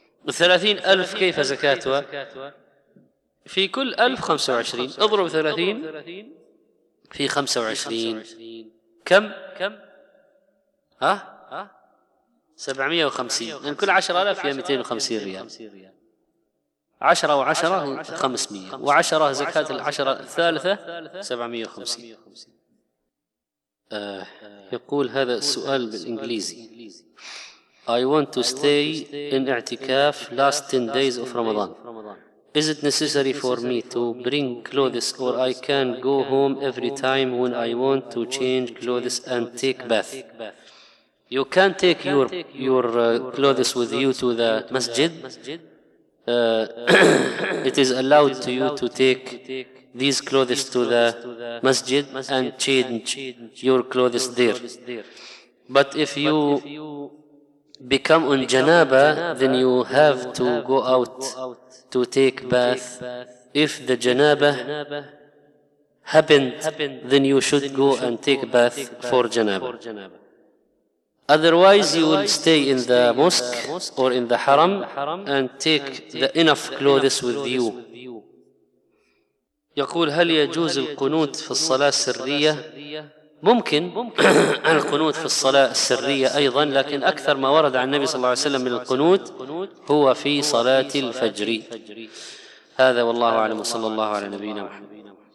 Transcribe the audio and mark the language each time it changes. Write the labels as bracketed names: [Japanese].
[Arabic] 30,000 كيف زكاتها؟ في كل 1025 اضرب 30 في 25 كم؟ ها؟ 750 يعني كل 10,000 هي 250 ريال، 10 و10 500 و10 زكاة العشرة الثالثة 750. يقول هذا السؤال بالإنجليزي: [English] I want to stay in اعتكاف last 10 days of Ramadan. Is it necessary for me to bring clothes or I can go home every time when I want to change clothes and take bath? You can take your clothes with you to the masjid. it is allowed to you to take these clothes to the masjid and change your clothes there. But if you become on janaba, then you have to go out to take bath. If the janaba happened, then you should go and take bath for janaba. Otherwise, you will stay in the mosque or in the haram and take the enough clothes with you. [Arabic] يقول هل يجوز القنوت في الصلاة السرية؟ ممكن القنوت في الصلاة السرية أيضا، لكن أكثر ما ورد عن النبي صلى الله عليه وسلم من القنوت هو في صلاة الفجر. هذا والله أعلم، صلى الله على نبينا محمد.